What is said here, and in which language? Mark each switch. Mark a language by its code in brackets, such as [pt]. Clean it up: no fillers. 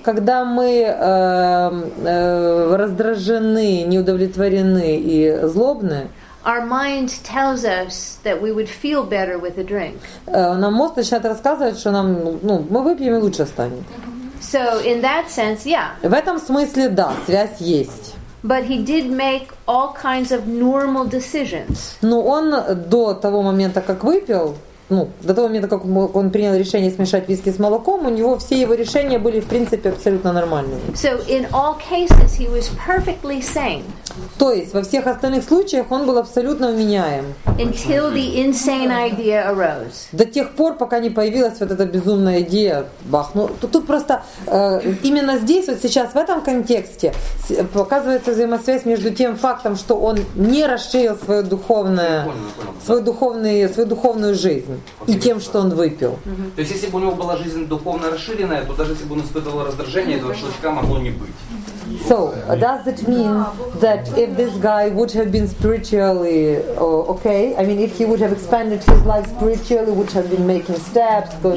[ru] Когда мы раздражены, неудовлетворены и злобны. [en] Our mind tells us that we would feel better with a drink. [ru] Нам мозг начинает рассказывать, что нам, ну, мы выпьем и лучше станет. [en] So in that sense, yeah. [ru] В этом смысле да, связь есть. [en] But he did make all kinds of normal decisions. [ru] Но он до того момента, как выпил, ну, до того момента, как он принял решение смешать виски с молоком, у него все его решения были, в принципе, абсолютно нормальными. [en] So in all cases he was perfectly sane. [ru] То есть во всех остальных случаях он был абсолютно вменяем. [en] Until the insane idea arose. [ru] До тех пор, пока не появилась вот эта безумная идея, бах. Ну, тут просто именно здесь, вот сейчас, в этом контексте, показывается взаимосвязь между тем фактом, что он не расширил свое духовное, свою духовную жизнь и тем, что он выпил. То есть если бы у него была жизнь духовно расширенная, то даже если бы он испытывал раздражение, этого щелчка могло не быть. [en] So, does it mean that if this guy would have been spiritually okay, I mean, if he would have expanded his life spiritually, would have been making steps, going